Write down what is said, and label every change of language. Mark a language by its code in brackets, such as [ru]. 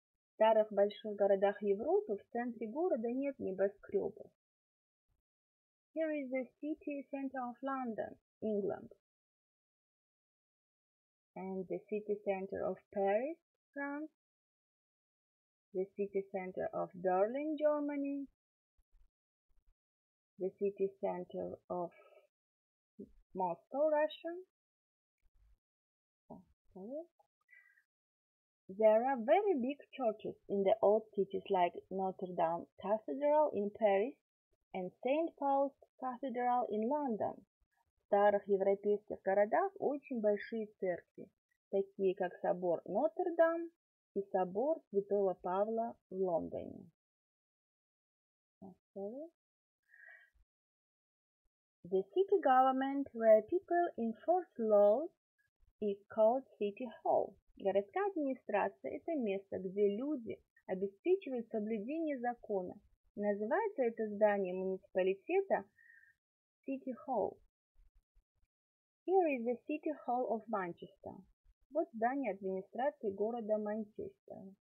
[ru] В старых больших городах Европы в центре города нет небоскребов. [en] Here is the city center of London, England. And the city center of Paris, France. The city center of Berlin, Germany. The city center of Moscow, Russia. There are very big churches in the old cities like Notre Dame Cathedral in Paris and St. Paul's Cathedral in London. [ru] В старых европейских городах очень большие церкви, такие как собор Нотр-Дам и собор Святого Павла в Лондоне. [en] The city government where people enforce laws is called City Hall. [ru] Городская администрация – это место, где люди обеспечивают соблюдение закона. Называется это здание муниципалитета City Hall. [en] Here is the City Hall of Manchester. [ru] Вот здание администрации города Манчестера.